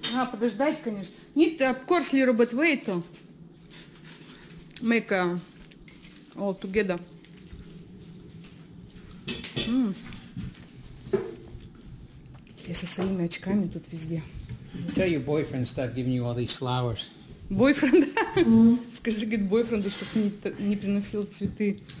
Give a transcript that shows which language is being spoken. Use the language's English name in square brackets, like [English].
[Russian] Подождать, конечно. Нет, [English] of course, little bit wait. Make all together. [Russian] Я со своими очками тут везде. [English] Tell your boyfriend start giving you all these flowers. [Russian] Бойфренд? Скажи, говорит, бойфренду, чтобы не приносил цветы.